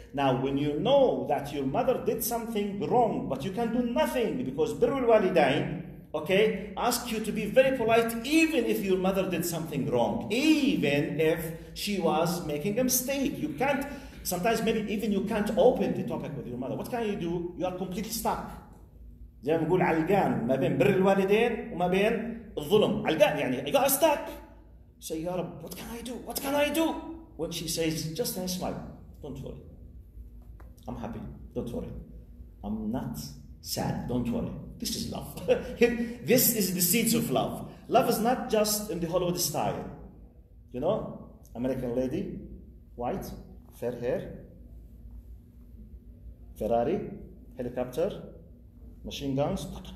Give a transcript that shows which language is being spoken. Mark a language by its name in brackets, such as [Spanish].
[English] Now, when you know that your mother did something wrong, but you can do nothing because birrul walidain, okay, ask you to be very polite even if your mother did something wrong, even if she was making a mistake. You can't, sometimes maybe even you can't open the topic with your mother. What can you do? You are completely stuck. [Arabic] زي ما نقول علقان ما بين بر الوالدين وما بين الظلم علقان يعني [English] I got stuck. Say, Ya Rab, what can I do? What can I do? When she says, just a smile. Don't worry. I'm happy. Don't worry. I'm not sad. Don't worry. This is love. This is the seeds of love. Love is not just in the Hollywood style. You know, American lady, white, fair hair, Ferrari, helicopter, machine guns.